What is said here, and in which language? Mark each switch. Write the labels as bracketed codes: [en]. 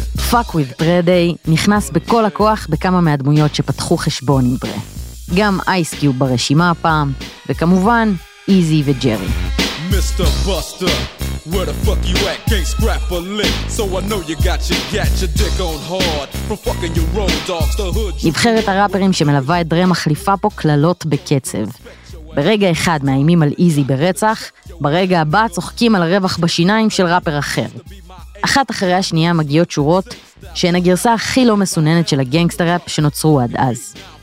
[he] Fuck with Dre Day נכנס בכל הכוח בכמה מהדמויות שפתחו חשבון עם דרי. גם Ice Cube ברשימה הפעם, וכמובן, Easy וג'רי. Mr. Buster, [en] Where the fuck you at? Can't scrap a lick. So I know you got your catch your dick on hard from fucking your road dogs. [he] נבחרת הראפרים שמלווה את דרי מחליפה פה כללות בקצב. ברגע אחד מאיימים על איזי ברצח, ברגע הבא צוחקים על הרווח בשיניים של ראפר אחר. אחת אחרי השנייה מגיעות שורות שהן הגרסה הכי לא מסוננת של הגנגסטר ראפ שנוצרו עד אז.